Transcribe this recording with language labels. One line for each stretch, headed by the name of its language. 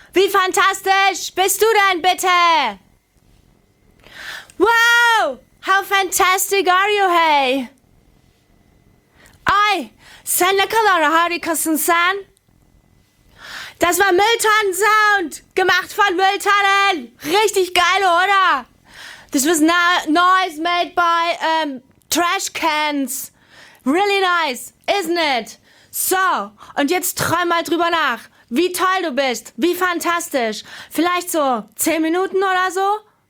German: Fantastisch! Bist du denn bitte?
English: Wow! How fantastic are you, hey?
Turkish: Ay, sen ne kadar harikasın sen?
German: Das war Mülltonnen-Sound, gemacht von Mülltonnen. Richtig geil, oder?
English: This was noise made by trash cans. Really nice, isn't it?
German: So, und jetzt träum mal drüber nach. Wie toll du bist, wie fantastisch. Vielleicht so 10 Minuten oder so?